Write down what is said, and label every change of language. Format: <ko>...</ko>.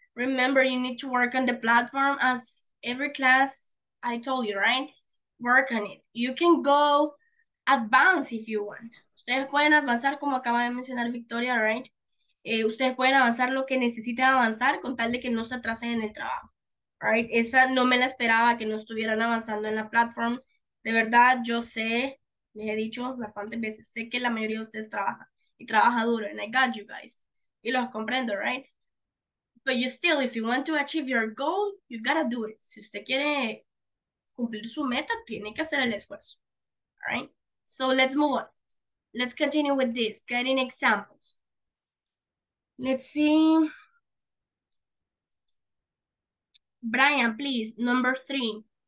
<en>Remember, you need to work on the platform as every class I told you, right? Work on it. You can go advance if you want.</en> <es>Ustedes pueden avanzar como acaba de mencionar Victoria, right? Ustedes pueden avanzar lo que necesiten avanzar con tal de que no se atrasen en el trabajo, right? Esa no me la esperaba que no estuvieran avanzando en la platform. De verdad, yo sé, les he dicho bastantes veces, sé que la mayoría de ustedes trabaja y trabaja duro,</es> <en>and I got you guys.</en> <es>Y los comprendo, right?</es> <en>But you still, if you want to achieve your goal, you gotta do it.</en> <es>Si usted quiere cumplir su meta, tiene que hacer el esfuerzo.</es> <en>All right? So let's move on. Let's continue with this. Getting examples. Let's see. Brian, please, number 3.</en>